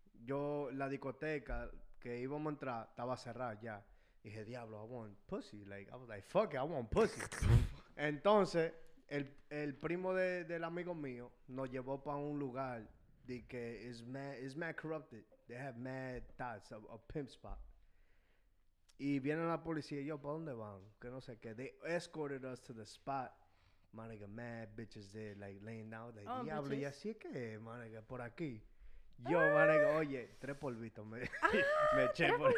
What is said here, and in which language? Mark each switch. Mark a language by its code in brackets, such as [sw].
[es] Yo, la discoteca que íbamos a entrar, estaba cerrada ya. Y dije, diablo, I want pussy. Like, I was like, fuck it, I want pussy. Entonces, el primo del amigo mío nos llevó para un lugar de que is mad corrupted. [en] They have mad thoughts of a pimp spot. [es] Y viene la policía y yo, ¿para dónde van? Que no sé qué. [en] They escorted us to the spot. My nigga, mad bitches there, like, laying down. [es] Like, oh, diablo, bitches. Y así es que, my nigga, por aquí. Yo, manigo, oye, tres polvitos me eché.